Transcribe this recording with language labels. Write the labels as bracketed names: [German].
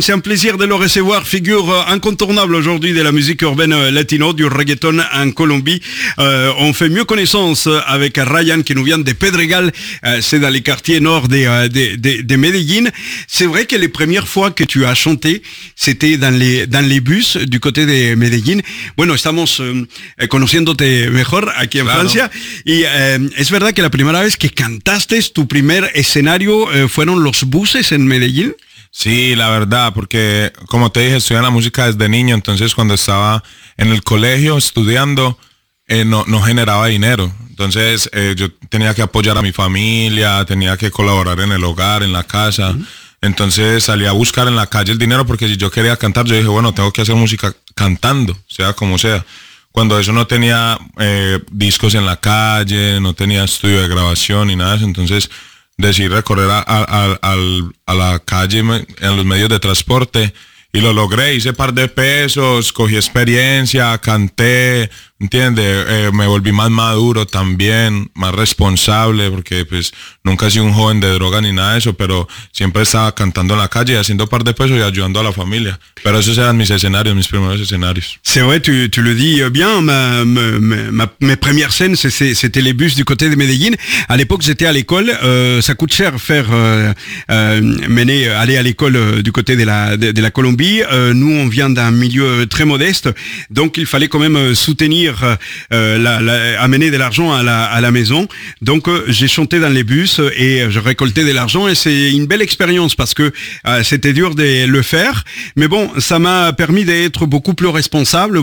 [French] C'est un plaisir de le recevoir, figure incontournable aujourd'hui de la musique urbaine latino, du reggaeton en Colombie. On fait mieux connaissance avec Ryan qui nous vient de Pedregal, c'est dans les quartiers nord de Medellín. C'est vrai que les premières fois que tu as chanté, c'était dans les bus du côté de Medellín. [Spanish] Bueno, estamos conociéndote mejor aquí en Francia. Y es verdad que la primera vez que cantaste tu primer escenario fueron los buses en Medellín. Sí, la verdad, porque como te dije, estudié la música desde niño, entonces cuando estaba en el colegio estudiando no generaba dinero, entonces yo tenía que apoyar a mi familia, tenía que colaborar en el hogar, en la casa, entonces salí a buscar en la calle el dinero, porque si yo quería cantar, yo dije, bueno, tengo que hacer música cantando, sea como sea. cuando eso no tenía discos en la calle, no tenía estudio de grabación ni nada de eso, entonces decidí recorrer a la calle, en los medios de transporte, y lo logré, hice par de pesos, cogí experiencia, canté, ¿entiendes? Me volví más maduro también, más responsable, porque pues nunca he sido un joven de droga ni nada de eso, pero siempre estaba cantando en la calle, haciendo par de pesos y ayudando a la familia. Pero esos eran mis escenarios, mis primeros escenarios. [French] C'est vrai, tu le dis bien, mes premières scènes, c'était les bus du côté de Medellín. À l'époque, j'étais à l'école, ça coûte cher faire aller à l'école du côté de la Colombie. Nous, on vient d'un milieu très modeste, donc il fallait quand même soutenir amener de l'argent à la maison, donc j'ai chanté dans les bus et je récoltais de l'argent, et c'est une belle expérience parce que c'était dur de le faire, mais bon, ça m'a permis d'être beaucoup plus responsable.